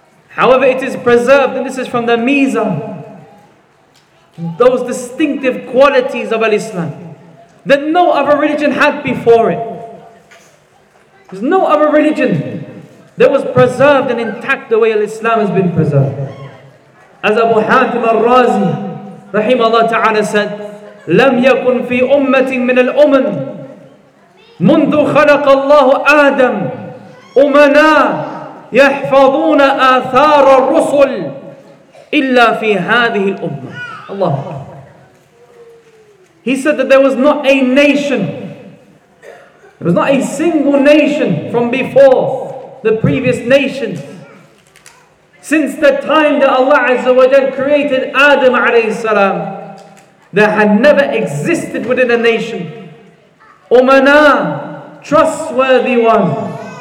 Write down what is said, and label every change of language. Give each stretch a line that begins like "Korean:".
English: However, it is preserved, and this is from the Mizan, those distinctive qualities of Al-Islam that no other religion had before it. There's no other religion that was preserved and intact the way Al-Islam has been preserved. As Abu Hatim al-Razi, rahimahullah ta'ala, said,
Arabic: لم يكن في أمة من الأمم منذ خلق الله آدم أمنا يحفظون آثار الرسل إلا في هذه الأمة. الله.
English: He said that there was not a nation, there was not a single nation from before the previous nations, since the time that Allah Azza wa Jal created Adam alayhi salam, there had never existed within a nation umana, trustworthy ones.